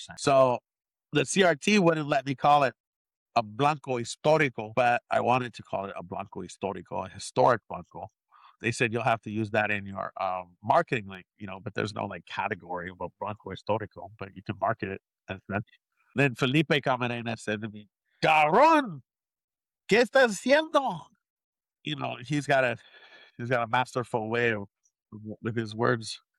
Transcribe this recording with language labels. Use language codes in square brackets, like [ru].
[en] So the CRT wouldn't let me call it a Blanco Histórico, but I wanted to call it a Blanco Histórico, a historic Blanco. They said you'll have to use that in your marketing link, you know, but there's no like category of a Blanco Histórico, but you can market it as that. Then Felipe Camarena said to me, Garrón, [es] ¿qué estás haciendo? [en] You know, he's got a masterful way with his words.